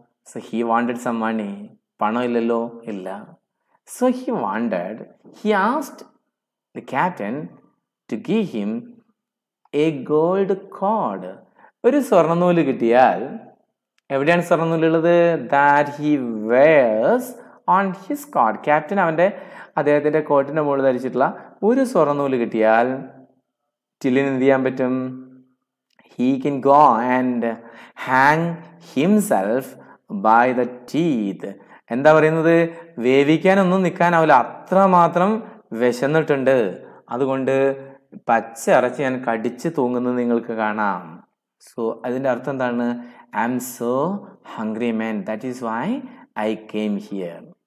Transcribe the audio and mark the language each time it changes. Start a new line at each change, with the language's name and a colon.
English: So he wanted some money.
Malayalam: പണം ഇല്ലല്ലോ. ഇല്ല.
English: So he wanted, he asked the captain to give him a gold coat.
Malayalam: ഒരു സ്വർണ്ണനൂല് കിട്ടിയാൽ എവിടെയാണ് സ്വർണ്ണനൂലുള്ളത്?
English: That he wears on his coat.
Malayalam: Captain അവൻ്റെ അദ്ദേഹത്തിൻ്റെ കോട്ടിൻ്റെ മുകളിൽ ധരിച്ചിട്ടുള്ള ഒരു സ്വർണ്ണനൂല് കിട്ടിയാൽ ടില്ലിന് എന്ത് ചെയ്യാൻ പറ്റും?
English: He can go and hang himself by the teeth.
Malayalam: എന്താ പറയുന്നത്? വേവിക്കാനൊന്നും നിൽക്കാനാവില്ല, അത്രമാത്രം വിശന്നിട്ടുണ്ട്. അതുകൊണ്ട് പച്ച അറച്ച് ഞാൻ കടിച്ച് തൂങ്ങുന്നത് നിങ്ങൾക്ക് കാണാം.
English: so
Malayalam: അതിൻ്റെ അർത്ഥം എന്താണ്?
English: I am so hungry man, that is why I came here.